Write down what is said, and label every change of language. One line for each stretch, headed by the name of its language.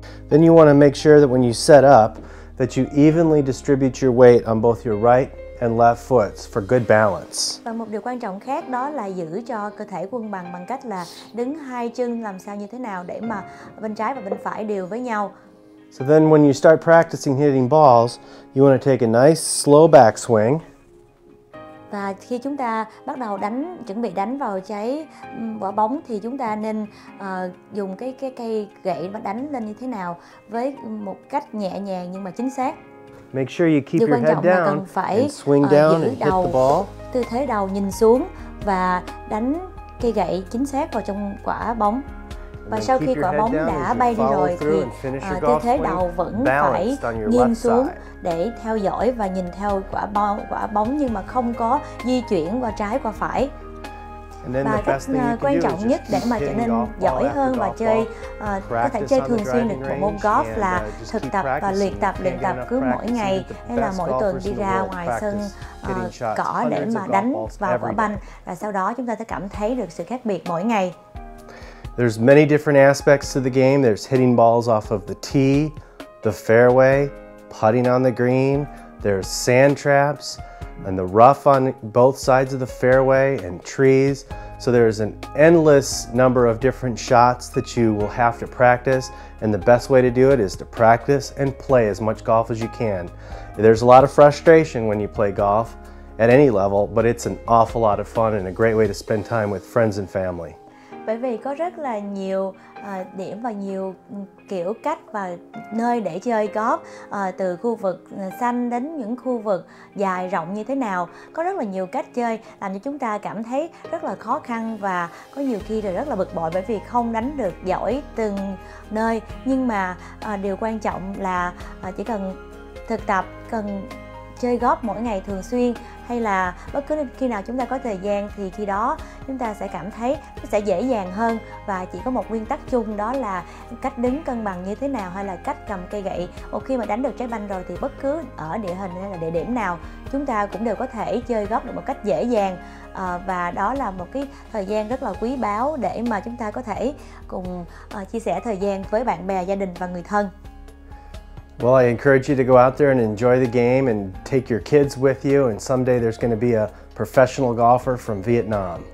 English: Then you want to make sure that when you set up that you evenly distribute your weight on both your right and left foot for good balance.
Vietnamese: Và một điều quan trọng khác đó là giữ cho cơ thể cân bằng bằng cách là đứng hai chân làm sao như thế nào để mà bên trái và bên phải đều với nhau.
English: So then when you start practicing hitting balls, you want to take a nice slow backswing.
Vietnamese: Và khi chúng ta bắt đầu đánh, chuẩn bị đánh vào trái quả bóng thì chúng ta nên dùng cái cây gậy và đánh lên như thế nào với một cách nhẹ nhàng nhưng mà chính xác.
English: Make sure you keep your head down
Vietnamese: phải,
English: and swing down and
Vietnamese: đầu,
English: hit the ball.
Vietnamese: Tư thế đầu nhìn xuống và đánh cây gậy chính xác vào trong quả bóng. Và sau khi quả bóng đã bay đi rồi thì tư thế đầu vẫn phải nghiêng xuống để theo dõi và nhìn theo quả bóng nhưng mà không có di chuyển qua trái qua phải. Và cách quan trọng nhất để mà trở nên giỏi hơn và chơi có thể chơi thường xuyên được một môn golf là thực tập và luyện tập cứ mỗi ngày hay là mỗi tuần đi ra ngoài sân cỏ để mà đánh vào quả banh và sau đó chúng ta sẽ cảm thấy được sự khác biệt mỗi ngày.
English: There's many different aspects to the game. There's hitting balls off of the tee, the fairway, putting on the green, there's sand traps, and the rough on both sides of the fairway and trees. So there's an endless number of different shots that you will have to practice, and the best way to do it is to practice and play as much golf as you can. There's a lot of frustration when you play golf at any level, but it's an awful lot of fun and a great way to spend time with friends and family.
Vietnamese: Bởi vì có rất là nhiều điểm và nhiều kiểu cách và nơi để chơi golf, từ khu vực xanh đến những khu vực dài rộng như thế nào. Có rất là nhiều cách chơi làm cho chúng ta cảm thấy rất là khó khăn và có nhiều khi là rất là bực bội bởi vì không đánh được giỏi từng nơi. Nhưng mà điều quan trọng là chỉ cần thực tập, cần chơi golf mỗi ngày thường xuyên hay là bất cứ khi nào chúng ta có thời gian thì khi đó chúng ta sẽ cảm thấy nó sẽ dễ dàng hơn và chỉ có một nguyên tắc chung đó là cách đứng cân bằng như thế nào hay là cách cầm cây gậy. Một khi mà đánh được trái banh rồi thì bất cứ ở địa hình hay là địa điểm nào chúng ta cũng đều có thể chơi golf được một cách dễ dàng và đó là một cái thời gian rất là quý báu để mà chúng ta có thể cùng chia sẻ thời gian với bạn bè, gia đình và người thân.
English: Well, I encourage you to go out there and enjoy the game and take your kids with you and someday there's going to be a professional golfer from Vietnam.